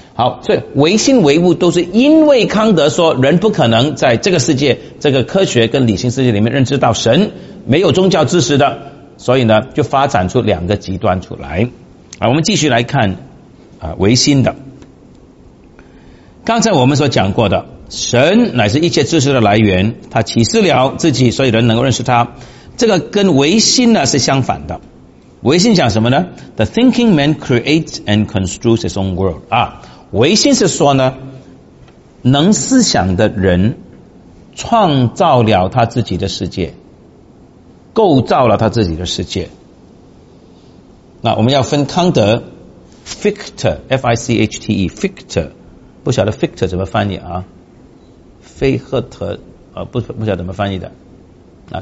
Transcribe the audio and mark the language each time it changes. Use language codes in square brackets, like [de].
[zh] 好，所以唯心唯物都是因为康德说人不可能在这个世界，这个科学跟理性世界里面认知到神，没有宗教知识的，所以呢就发展出两个极端出来啊。我们继续来看唯心的，刚才我们所讲过的，神乃是一切知识的来源，他启示了自己，所以人能够认识他。这个跟唯心呢是相反的。唯心讲什么呢？ [en] The thinking man creates and construes his own world. [zh] 啊，唯心是说呢，能思想的人创造了他自己的世界，构造了他自己的世界。那我们要分康德 Fichte F-I-C-H-T-E Fichte， 不晓得 Fichte 怎么翻译啊，菲赫特不晓得怎么翻译的啊。